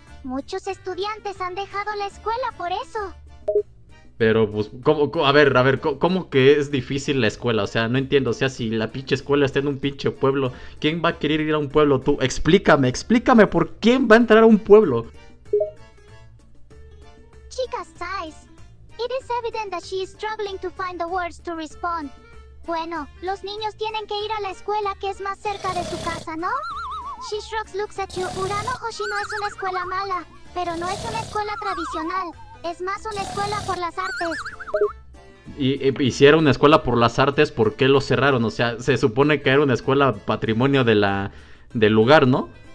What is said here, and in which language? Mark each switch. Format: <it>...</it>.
<es>Muchos estudiantes han dejado la escuela por eso. Pero, pues, ¿cómo? A ver, ¿cómo que es difícil la escuela? O sea, no entiendo. O sea, si la pinche escuela está en un pinche pueblo, ¿quién va a querer ir a un pueblo tú? Explícame, ¿por quién va a entrar a un pueblo?</es> <en>Chica sighs. It is evident that she is struggling to find the words to respond.</en> <es>Bueno, los niños tienen que ir a la escuela que es más cerca de su casa, ¿no?</es> <en>She shrugs, looks at you.</en> <es>Uranohoshi no es una escuela mala, pero no es una escuela tradicional. Es más una escuela por las artes. Hiciera una escuela por las artes, ¿por qué lo cerraron? O sea, se supone que era una escuela patrimonio de del lugar, ¿no?</es>